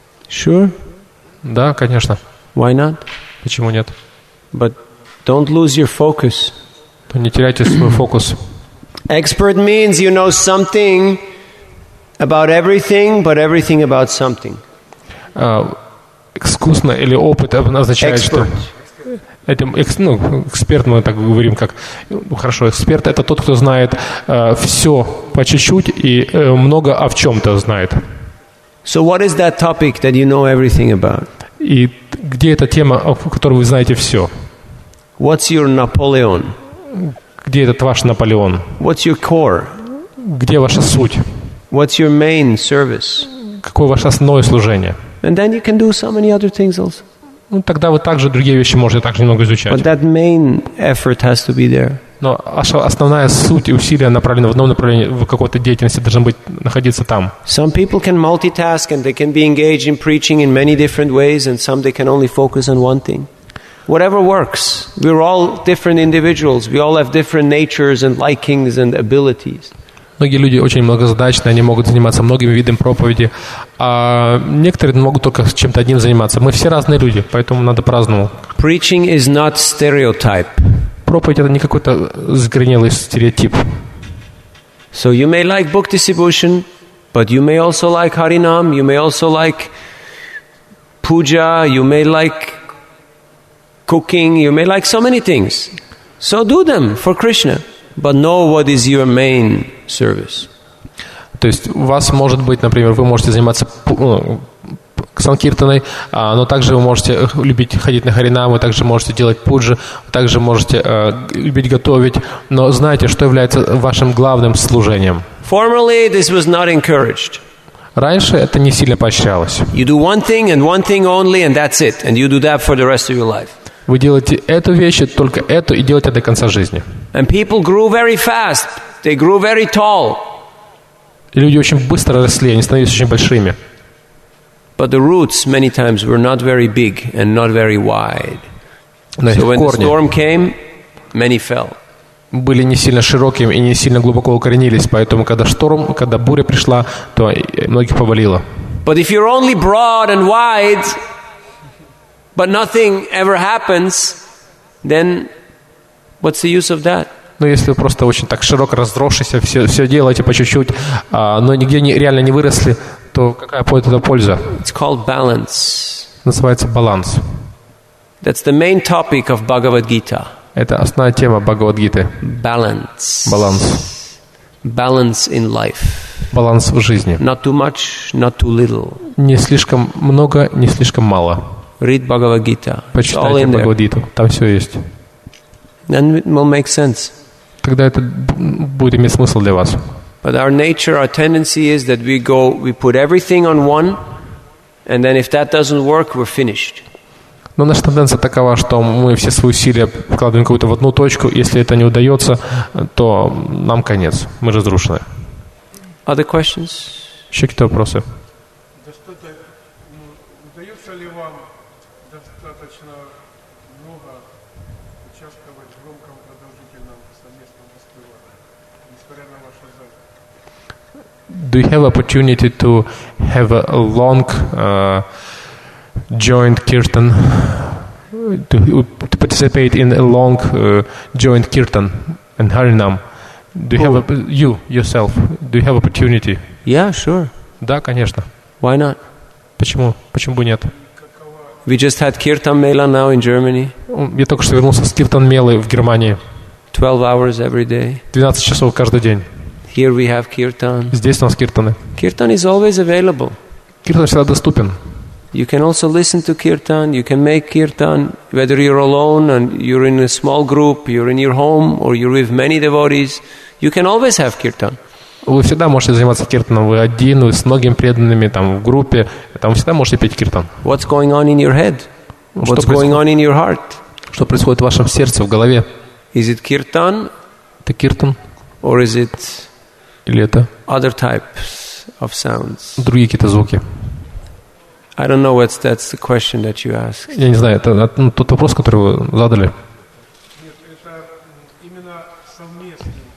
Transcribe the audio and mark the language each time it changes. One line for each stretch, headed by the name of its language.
English: Sure.
Russian: Да, конечно.
English: Why not?
Russian: Почему нет?
English: But don't lose your focus.
Russian: Не теряйте свой фокус.
English: Expert means you know something about everything, but everything about something.
Russian: Искусно или опыт означает, что этим эксперт мы так говорим, как хорошо эксперт. Это тот, кто знает все по чуть-чуть и много о чем-то знает.
English: So what is that topic that you know everything about?
Russian: И где эта тема, о которой вы знаете все?
English: What's your Napoleon?
Russian: Где этот ваш Наполеон?
English: What's your core?
Russian: Где ваша суть?
English: What's your main service?
Russian: Какое ваше основное служение?
English: And then you can do so many other things also.
Russian: Ну, тогда вы также другие вещи можете также немного изучать.
English: But that main effort has to be there.
Russian: Но основная суть и усилия направлены в одном направлении, в какой-то деятельности должны быть находиться там.
English: Some people can multitask and they can be engaged in preaching in many different ways, and some they can only focus on one thing. Whatever works. We're all different individuals. We all have different natures and likings and abilities.
Russian: Многие люди очень многозадачны, они могут заниматься многими видами проповеди, а некоторые могут только чем-то одним заниматься. Мы все разные люди, поэтому надо по-разному.
English: Preaching is not stereotype.
Russian: Проповедь — это не какой-то загрязнелый стереотип.
English: So you may like book distribution, but you may also like Харинам, you may also like Puja, you may like cooking, you may like so many things. So do them for Krishna. But know what is your main service.
Russian: То есть у вас может быть, например, вы можете заниматься санкиртаной, но также вы можете любить ходить на харинам, вы также можете делать пуджи, также можете любить готовить, но знаете, что является вашим главным служением.
English: Formerly this was not encouraged.
Russian: Раньше это не сильно поощрялось.
English: You do one thing and one thing only and that's it. And you do that for the rest of your life.
Russian: Вы делаете эту вещь, только эту, и делаете до конца жизни.
English: And people grew very fast. They grew very tall.
Russian: И люди очень быстро росли, они становились очень большими.
English: But the roots many times were not very big and not very wide.
Russian: Но
English: so when the storm came, many fell.
Russian: Были не сильно широкими и не сильно глубоко укоренились, поэтому когда шторм, когда буря пришла, то многих повалило.
English: But if you're only broad and wide, but nothing ever happens, then what's the use of that?
Russian: Но если вы просто очень так широко разросшись, все делаете по чуть-чуть, но нигде реально не выросли, то какая будет эта польза?
English: It's called balance.
Russian: Называется баланс.
English: That's the main topic of Bhagavad Gita.
Russian: Это основная тема Бхагавад Гиты.
English: Balance.
Russian: Баланс.
English: Balance in life.
Russian: Баланс в жизни.
English: Not too much, not too little.
Russian: Не слишком много, не слишком мало.
English: Read Bhagavad Gita.
Russian: Почитайте Бхагавад Гиту. Там все есть.
English: Then it will make sense.
Russian: Тогда это будет иметь смысл для вас.
English: But our nature, our tendency is that we go, we put everything on one, and then if that doesn't work, we're finished.
Russian: Но наша тенденция такова, что мы все свои усилия вкладываем какую-то в одну точку, если это не удается, то нам конец, мы разрушены.
English: Other questions?
Russian: Еще какие-то вопросы? Да что-то, удается ли вам достаточно много участвовать в громком продолжительном совместном воспевании, несмотря на ваши заняты?
English: Do you have opportunity to have a long joint kirtan, to participate in a long joint kirtan and harinam? Do you have yourself? Do you have opportunity? Yeah, sure.
Russian: Да, конечно.
English: Why not?
Russian: Почему? Почему бы нет?
English: We just had kirtan mela now in Germany.
Russian: Я только что вернулся с kirtan melы в Германии.
English: 12 hours every day.
Russian: 12 часов каждый день.
English: Here we have kirtan.
Russian: Здесь у нас kirtan.
English: Kirtan is always available.
Russian: Kirtan всегда доступен.
English: You can also listen to kirtan, you can make kirtan, whether you're alone and you're in a small group, you're in your home, or you're with many devotees, you can always have kirtan.
Russian: Вы всегда можете заниматься киртаном, вы один, вы с многими преданными, там, в группе, там, вы всегда можете петь киртан.
English: What's going on in your head? What's going on in your heart?
Russian: Что происходит в вашем сердце, в голове?
English: Is it kirtan?
Russian: Это киртан?
English: Or is it...
Russian: Или это...
English: Other types of sounds?
Russian: Другие какие-то звуки.
English: I don't know what that's the question that you asked.
Russian: Я не знаю, это тот вопрос, который вы задали. Нет, это именно совместный.